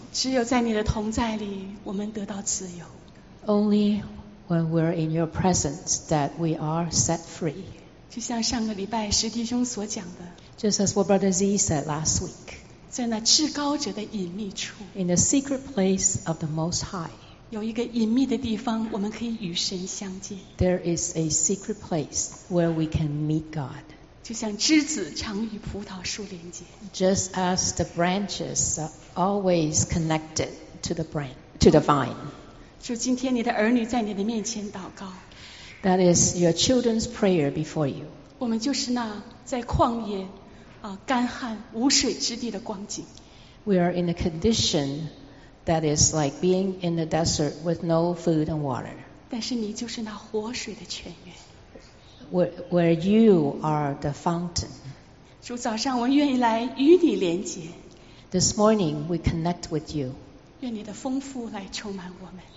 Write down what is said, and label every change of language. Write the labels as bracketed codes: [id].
[zh] 只有在你的同在里，我们得到自由。 [en] Only when we're in your presence that we are set free. [zh] 就像上个礼拜石弟兄所讲的。 [en] Just as what Brother Z said last week. [zh] 在那至高者的隐秘处。 [en] In the secret place of the Most High. [zh] 有一个隐秘的地方，我们可以与神相见。 [en] There is a secret place where we can meet God. [zh] 就像枝子常与葡萄树连接。 [en] Just as the branches are always connected to the branch, to the vine. [zh] 就今天你的儿女在你的面前祷告。 [en] That is your children's prayer before you. [zh] 我们就是那在旷野啊干旱无水之地的光景。 [en] We are in a condition that is like being in the desert with no food and water. [zh] 但是你就是那活水的泉源。 [en] Where you are the fountain. [zh] 主早上我愿意来与你连接。 [en] This morning we connect with you. [zh] 愿你的丰富来充满我们。